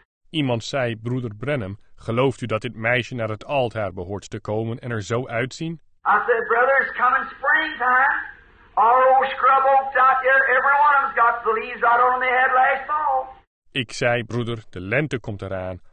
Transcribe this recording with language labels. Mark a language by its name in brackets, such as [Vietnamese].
[Dutch] Iemand zei, broeder Branham, gelooft u dat dit meisje naar het altaar behoort te komen en er zo uitzien? [English] I said, brother, it's coming springtime. Our old scrub oaks out here, every one of them's got the leaves out on their head last fall. [Dutch] Ik zei, broeder, de lente komt eraan.